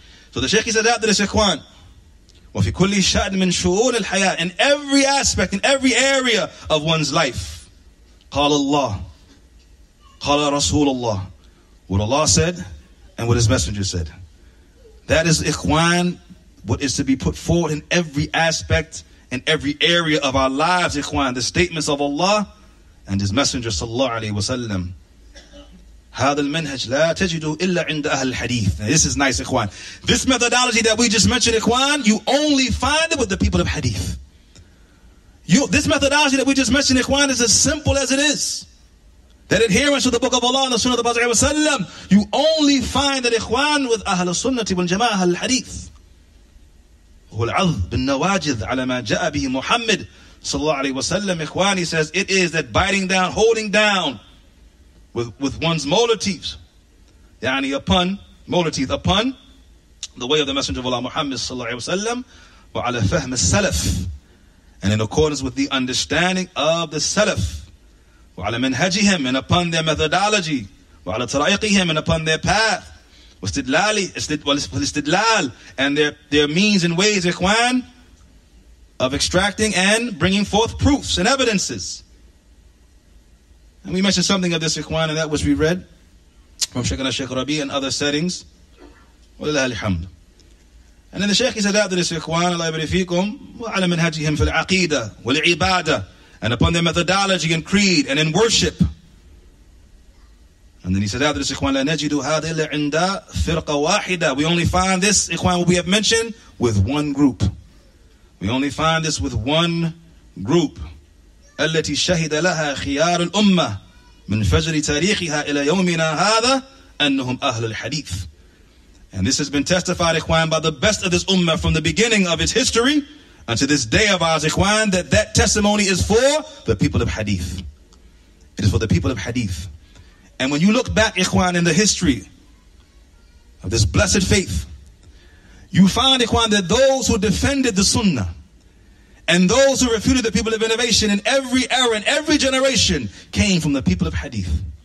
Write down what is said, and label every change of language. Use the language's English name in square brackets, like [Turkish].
[English] So the Sheikh, he said after this, Ikhwan, [Arabic] وَفِي كُلِّ شَأْنٍ مِنْ شُؤُونِ الْحَيَاةِ, [English] in every aspect, in every area of one's life, [Arabic] قَالَ اللَّهُ قَالَ رَسُولَ اللَّهُ, [English] what Allah said and what His Messenger said. That is, Ikhwan, what is to be put forward in every aspect, in every area of our lives, Ikhwan, the statements of Allah and His Messenger, صلى الله عليه وسلم. [Arabic] هذا المنهج لا تجده إلا عند أهل الحديث. [English] This is nice, Ikhwan. This methodology that we just mentioned, Ikhwan, you only find it with the people of Hadith. This methodology that we just mentioned, Ikhwan, is as simple as it is. That adherence to the Book of Allah and the Sunnah of the Prophet ﷺ, you only find that, Ikhwan, with أهل السنة والجماعة أهل الحديث. [Arabic] هو العظ بالنواجذ على ما جاء به محمد صلى الله عليه وسلم. [English] Ikhwan, he says, it is that biting down, holding down, with one's molar teeth, yani upon molar teeth upon the way of the Messenger of Allah Muhammad sallallahu alaihi wasallam, [Arabic] wa ala fahm as-salaf, [English] and in accordance with the understanding of the salaf, [Arabic] wa ala manhajihim, [English] and upon their methodology, [Arabic] wa ala tariqihim, [English] and upon their path, [Arabic] wa istidlali istidlal, [English] and their means and ways, Ikhwan, of extracting and bringing forth proofs and evidences. And we mentioned something of this, Ikhwan, and that which we read from Sheikh al-Sheikh Rabi and other settings. Walillah alhamd. And then the Sheikh, he said after this, Ikhwan, Allah yabarifikum, [Arabic] wa'ala minhajihim fil aqidah wal ibadah, [English] and upon their methodology and creed and in worship. And then he said after this, Ikhwan, [Arabic] la najidu hadha illa inda firqa wahida. [English] We only find this, Ikhwan, what we have mentioned, with one group. We only find this with one group. [Arabic] التي شهد لها خيار الأمة من فجر تاريخها إلى يومنا هذا أنهم أهل الحديث. [English] And this has been testified, Ikhwan, by the best of this Ummah from the beginning of its history until this day of ours, Ikhwan, that testimony is for the people of Hadith. It is for the people of Hadith. And when you look back, Ikhwan, in the history of this blessed faith, you find, Ikhwan, that those who defended the Sunnah and those who refuted the people of innovation in every era, in every generation, came from the people of Hadith.